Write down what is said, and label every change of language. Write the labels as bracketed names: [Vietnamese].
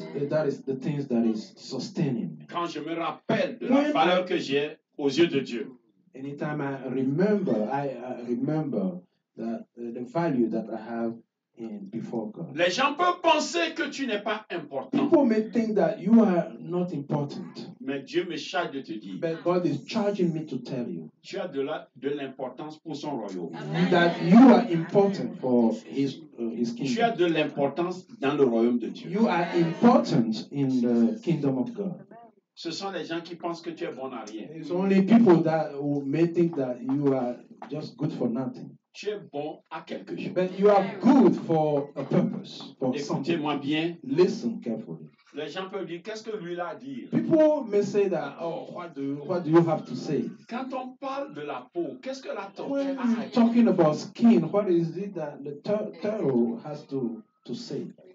[English] That is the things that is sustaining me. [French] Quand je me rappelle de la valeur que j'ai aux yeux de Dieu. [English] Anytime I remember the value that I have in before God. [French] Les gens peuvent penser que tu n'es pas important. [English] People may think that you are not important. [French] Mais Dieu me charge de te dire. [English] But God is charging me to tell you. [French] Tu as de l'importance pour son royaume. [English] Amen. That you are important for his kingdom. [French] Tu as de l'importance dans le royaume de Dieu. [English] You are important in the kingdom of God. [French] Ce sont les gens qui pensent que tu es bon à rien. [English] It's only people that may think that you are just good for nothing. [French] Tu es bon à quelque chose. [English] But you are good for a purpose. For [French] écoutez-moi [English] something. [French] Bien. [English] Listen carefully. [French] Les gens peuvent dire, qu'est-ce que lui là dit? [English] People may say that, oh, what do you have to say? [French] Quand on parle de la peau, qu'est-ce que la tortue a à dire? [English] Talking about skin, what is it that the turtle has to say?